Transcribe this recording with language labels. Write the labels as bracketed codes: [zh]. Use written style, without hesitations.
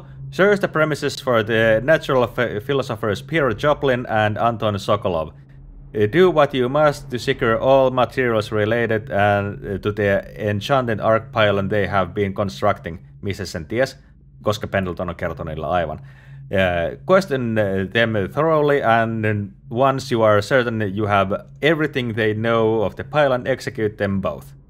[en] Search the premises for the natural philosophers Peter Joplin and Anton Sokolov. Do what you must to secure all materials related and to the enchanted arc pylon they have been constructing. [fi] Missä sen ties? Koska Pendleton on kertonut niillä aivan. [en] Question them thoroughly, and once you are certain you have everything they know of the pylon, execute them both.